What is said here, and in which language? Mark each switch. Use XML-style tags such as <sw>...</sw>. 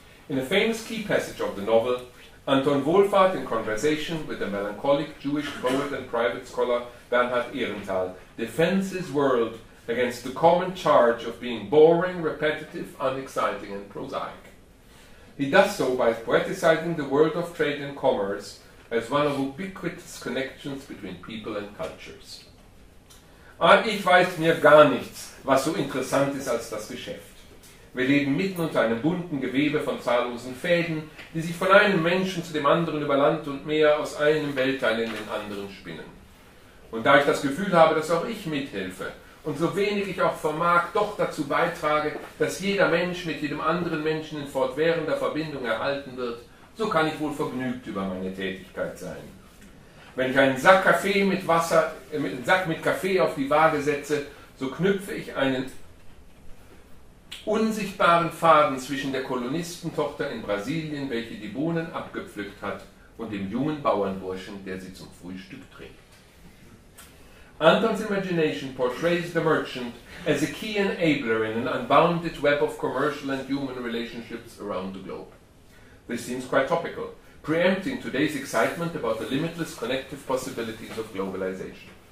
<en>In a famous key passage of the novel, Anton Wohlfahrt, in conversation with the melancholic Jewish poet and private scholar Bernhard Ehrenthal, defends his world against the common charge of being boring, repetitive, unexciting, and prosaic. He does so by poeticizing the world of trade and commerce as one of ubiquitous connections between people and cultures.</en> <de>Ich weiß mir gar nichts, was so interessant ist als das Geschäft. Wir leben mitten unter einem bunten Gewebe von zahllosen Fäden, die sich von einem Menschen zu dem anderen über Land und Meer aus einem Weltteil in den anderen spinnen. Und da ich das Gefühl habe, dass auch ich mithelfe und so wenig ich auch vermag, doch dazu beitrage, dass jeder Mensch mit jedem anderen Menschen in fortwährender Verbindung erhalten wird, so kann ich wohl vergnügt über meine Tätigkeit sein. Wenn ich einen Sack Kaffee mit Wasser, einen Sack mit Kaffee auf die Waage setze, so knüpfe ich einen unsichtbaren Faden zwischen der Kolonistentochter in Brasilien, welche die Bohnen abgepflückt hat, und dem jungen Bauernburschen, der sie zum Frühstück trägt.</de> <en>Anton's imagination portrays the merchant as a key enabler in an unbounded web of commercial and human relationships around the globe. This seems quite topical, preempting today's excitement about the limitless connective possibilities of globalization.</en>